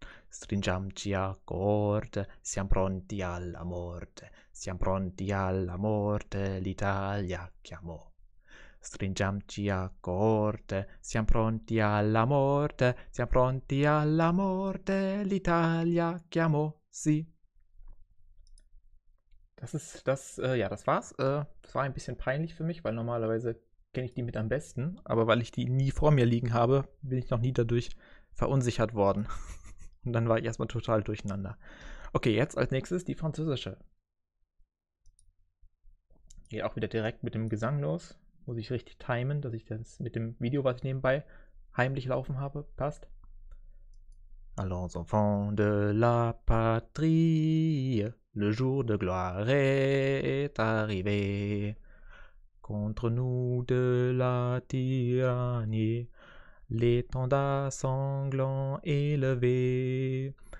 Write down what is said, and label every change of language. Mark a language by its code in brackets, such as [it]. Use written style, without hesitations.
[it] Stringiamoci a corte, siamo pronti alla morte, siamo pronti alla morte, l'Italia chiamò. Stringiamoci a corte, siamo pronti alla morte, siamo pronti alla morte, l'Italia chiamò, sì. [de] Ja, das war's. Das war ein bisschen peinlich für mich, weil normalerweise kenne ich die mit am besten, aber weil ich die nie vor mir liegen habe, bin ich noch nie dadurch verunsichert worden. Und dann war ich erstmal total durcheinander. Okay, jetzt als nächstes die französische. Geht auch wieder direkt mit dem Gesang los. Muss ich richtig timen, dass ich das mit dem Video, was ich nebenbei heimlich laufen habe, passt. [fr] Allons enfants de la patrie, le jour de gloire est arrivé. Contre nous de la tyrannie, l'étendard sanglant est levé.